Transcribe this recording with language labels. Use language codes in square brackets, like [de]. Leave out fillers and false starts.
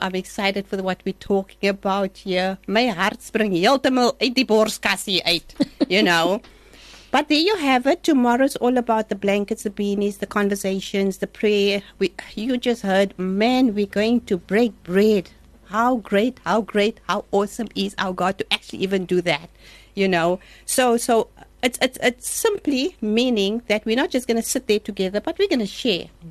[en] I'm excited for what we're talking about here. [af] My heart spring heeltemal uit die borskassie uit, [en] you know. But there you have it. Tomorrow's all about the blankets, the beanies, the conversations, the prayer. You just heard, man, we're going to break bread. How great, how great, how awesome is our God to actually even do that, you know. So it's simply meaning that we're not just going to sit there together, but we're going to share.